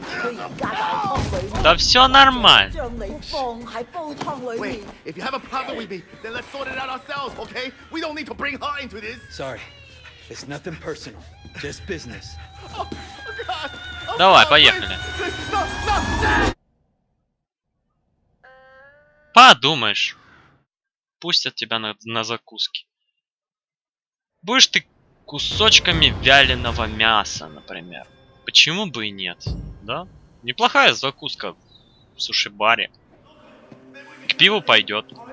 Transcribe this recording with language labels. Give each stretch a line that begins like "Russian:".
Cantonese: 佢而家喺汤水里。
Russian: Да всё нормально.
Cantonese: 将你放喺煲汤里面。
English: Wait, if you have a problem with me, then let's sort it out ourselves, okay? We don't need to bring her into this. Sorry. It's nothing personal, just business. Oh, God. Oh,
Russian: давай,
English: God,
Russian: поехали. Подумаешь, пустят тебя на закуски. Будешь ты кусочками вяленого мяса, например. Почему бы и нет, да? Неплохая закуска в суши-баре. К пиву пойдет.